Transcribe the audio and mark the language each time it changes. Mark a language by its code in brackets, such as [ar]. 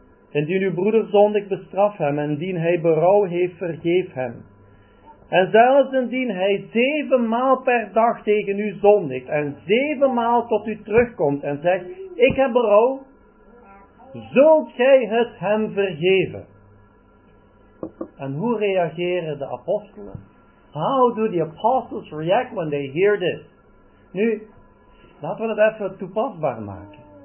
[nl] Indien uw broeder zondigt, bestraf hem. Indien hij berouw heeft, vergeef hem. En zelfs indien hij zevenmaal per dag tegen u zondigt en zevenmaal tot u terugkomt en zegt, ik heb berouw, zult gij het hem vergeven? En hoe reageren de apostelen? [en] How do the apostles react when they hear this? [nl] Nu, laten we het even toepasbaar maken.